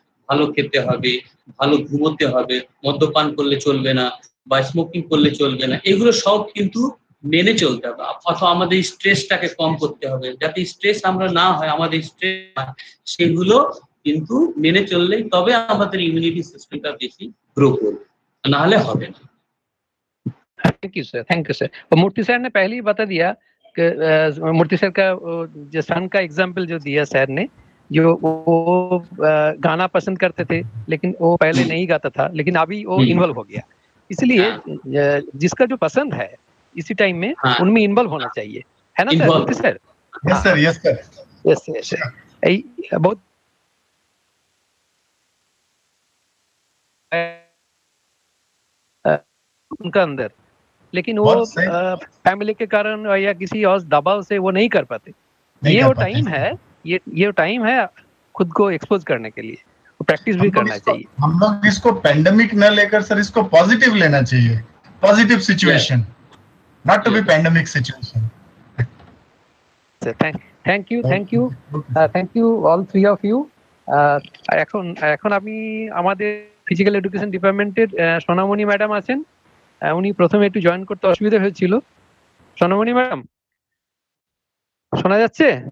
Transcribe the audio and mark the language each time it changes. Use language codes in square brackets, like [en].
[bn] ভালো খেতে হবে ভালো ঘুমোতে হবে মদ্যপান করলে চলবে না বা স্মোকিং করলে চলবে না এগুলো সব কিন্তু মেনে চলতে হবে অথবা আমাদের স্ট্রেসটাকে কম করতে হবে যাতে স্ট্রেস আমরা না হয় আমাদের স্ট্রেস সেগুলো কিন্তু মেনে চললেই তবে আমাদের ইমিউনিটি সিস্টেমটা বেশি গ্রো করবে না হলে হবে না [hi] ठीक है sir, [en] thank you [hi] sir. Murthy sir ने पहले ही बता दिया कि मूर्ति सर का जो सन का एग्जांपल जो दिया सर ने, जो वो गाना पसंद करते थे लेकिन वो पहले नहीं गाता था, लेकिन अभी वो इन्वॉल्व हो गया। इसलिए जिसका जो पसंद है इसी टाइम में उनमें इन्वॉल्व होना चाहिए, है ना सर? मूर्ति सर, बहुत उनका अंदर, लेकिन वो फैमिली के कारण या किसी और दबाव से वो नहीं कर पाते। नहीं ये कर वो टाइम है, ये टाइम है खुद को एक्सपोज करने के लिए, प्रैक्टिस भी करना चाहिए। हम लोग इसको पेंडेमिक ना लेकर सर इसको पॉजिटिव लेना चाहिए, positive situation, [en] Not to be pandemic situation. Sir thank you, thank you, thank you all three of you. [bn] এখন এখন আমি আমাদের ফিজিক্যাল এডুকেশন ডিপার্টমেন্টের সোনামণি ম্যাডাম আছেন, উনি প্রথমে একটু জয়েন করতে অসুবিধা হয়েছিল। সোনামণি ম্যাডাম শোনা যাচ্ছে?